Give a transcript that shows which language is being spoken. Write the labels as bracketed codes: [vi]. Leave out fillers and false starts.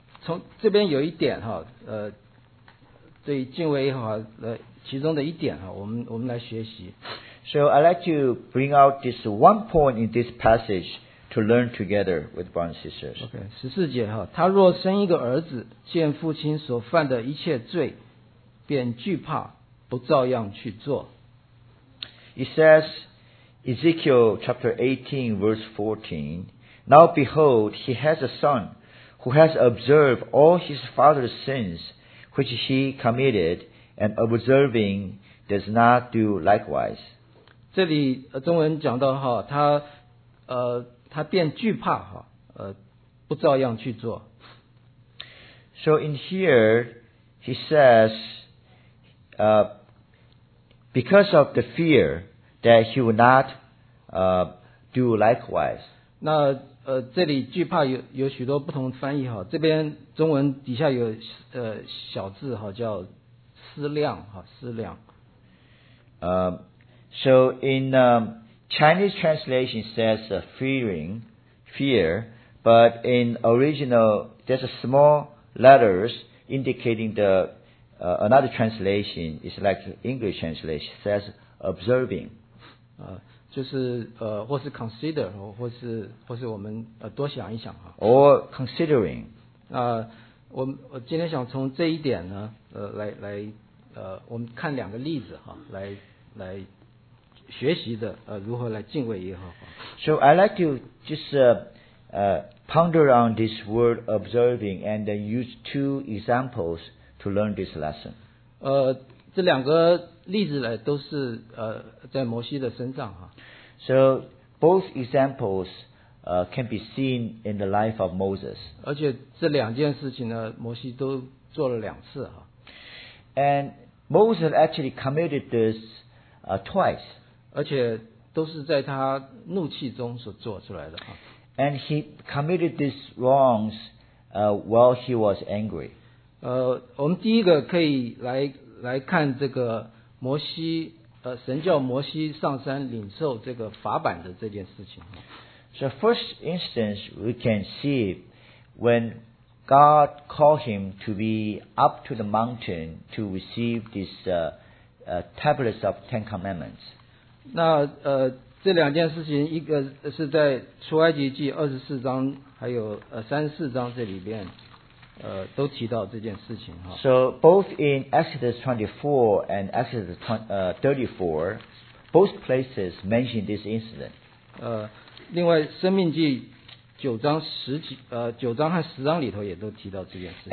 [zh] 从这边有一点哈，对敬畏耶和华其中的一点哈，我们来学习。 [en] So I'd like to bring out this one point in this passage to learn together with brothers and sisters. [zh] Okay， 十四节哈，他若生一个儿子，见父亲所犯的一切罪，便惧怕，不照样去做。 [en] It says. Ezekiel chapter 18 verse 14. Now behold, he has a son who has observed all his father's sins which he committed and observing does not do likewise. [zh] 这里中文讲到哈，他便惧怕哈，不照样去做。 [en] So in here, he says, because of the fear that he will not do likewise. [zh] 那这里惧怕有许多不同翻译哈，这边中文底下有小字哈，叫思量哈，思量。 [en] So in Chinese translation says fear, but in original there's a small letters indicating the another translation is like English translation says observing. [zh] 就是或是 consider 或是我们多想一想啊。 [en] Or considering。 [zh] 我今天想从这一点呢，来我们看两个例子哈，来学习的如何来敬畏耶和华。 [en] So I like to just ponder on this word observing and then use two examples to learn this lesson. [zh] 这两个例子呢都是在摩西的身上哈。 [en] So both examples can be seen in the life of Moses. [zh] 而且这两件事情呢摩西都做了两次哈。 [en] And Moses actually committed this twice. [zh] 而且都是在他怒气中所做出来的哈。 [en] And he committed these wrongs while he was angry. [zh] 我们第一个可以来看这个摩西神叫摩西上山领受这个法版的这件事情。 [en] So first instance we can see when God called him to be up to the mountain to receive this tablets of Ten Commandments. [zh] 那这两件事情，一个是在出埃及记24章，还有34章这里边，都提到这件事情哈。 [en] So both in Exodus 24 and Exodus 34, both places mention this incident. [zh] 另外《生命记》9章和10章里头也都提到这件事情。